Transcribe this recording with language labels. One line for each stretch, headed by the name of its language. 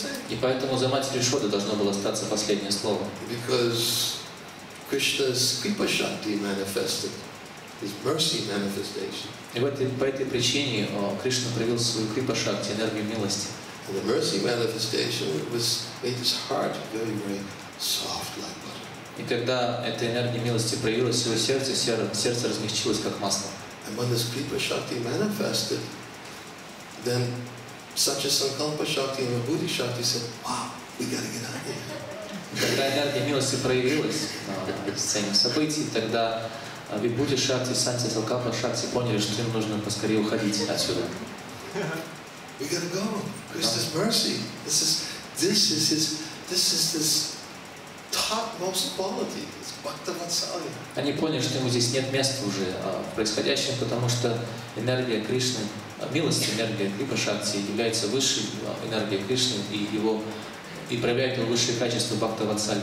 Russian: И поэтому за матерью Ишоды должно было остаться последнее слово.
English: Because Krishna's kripa shakti manifested, his mercy manifestation.
Russian: И по этой причине Кришна проявил свою крипа шакти, энергию милости.
English: And the mercy manifestation was made his heart very, very soft like butter.
Russian: И когда эта энергия милости проявилась в его сердце, сердце размягчилось как масло.
English: And when this kripa shakti manifested, then such a sankalpa shakti and vibhuti shakti said, "Wow, we gotta get out of here."
Russian: Когда энергия милости проявилась в сцене событий, тогда Вибхути Шакти и Сатья Санкалпа Шакти поняли, что им нужно поскорее уходить отсюда.
English: We gotta go. Krishna's mercy. This is his topmost quality. It's Bhaktivatsalya.
Russian: Они поняли, что ему здесь нет места уже в происходящем, потому что энергия Кришны, милость, энергия Крипа Шакти является высшей энергией Кришны и проявляет его высшие качества Бхактивацалья.